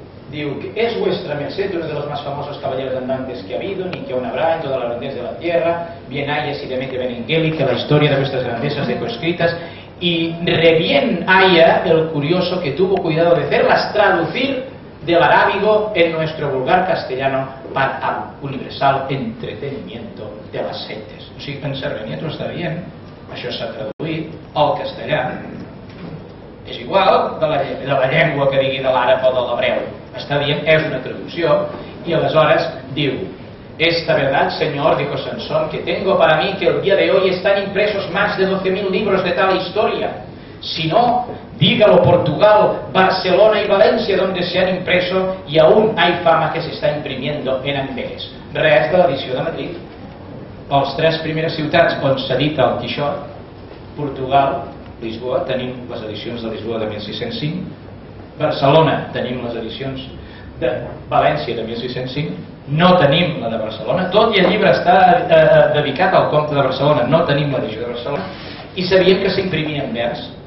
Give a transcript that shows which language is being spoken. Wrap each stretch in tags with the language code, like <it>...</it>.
<ca>diu que és</ca> <es>vuestra merced una de los más famosos caballeros andantes que ha habido, ni que aún habrá en toda la grandeza de la tierra, bien hay así de mente Benengeli, que la historia de vuestras grandezas dejó escritas, y re bien haya el curioso que tuvo cuidado de hacerlas traducir del arábigo en nuestro vulgar castellano para el universal entretenimiento de las gentes.</es> <ca>O sigui, en Cervantes està bé, això s'ha traduït al castellà. És igual de la llengua que digui de l'àrab o de l'hebreu. Està dient que és una traducció i aleshores diu:</ca> <es>Esta verdad, Señor, dijo Sansón, que tengo para mí que el día de hoy están impresos más de 12.000 libros de tal historia. Si no, dígalo Portugal, Barcelona y Valencia, donde se han impreso y aún hay fama que se está imprimiendo en Amberes.</es> <ca>Res de l'edició de Madrid. Les tres primeres ciutats on s'ha dit el Quixot, Portugal, Lisboa, tenim les edicions de Lisboa de 1605, Barcelona, tenim les edicions de València de 1605, no tenim la de Barcelona, tot i el llibre està dedicat al comte de Barcelona, no tenim l'edició de Barcelona, i sabíem que s'imprimia en vers.</ca>